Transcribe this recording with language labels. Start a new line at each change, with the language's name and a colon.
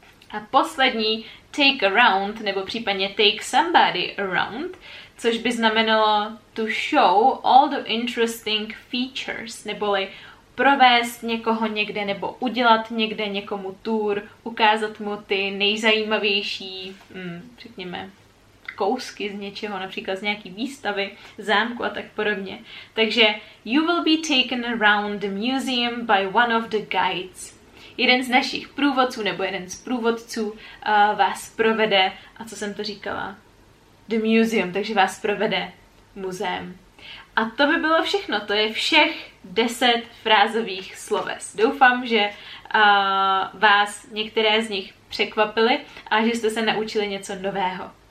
Czech: A poslední, take around, nebo případně take somebody around, což by znamenalo
English: to show all the interesting features,
Czech: neboli provést někoho někde, nebo udělat někde někomu tour, ukázat mu ty nejzajímavější, řekněme, kousky z něčeho, například z nějaký výstavy, zámku a tak podobně.
English: Takže you will be taken around the museum by one of the guides.
Czech: Jeden z našich průvodců nebo jeden z průvodců vás provede, a co jsem to říkala, the museum, takže vás provede muzeem. A to by bylo všechno, to je všech 10 frázových sloves. Doufám, že vás některé z nich překvapily a že jste se naučili něco nového.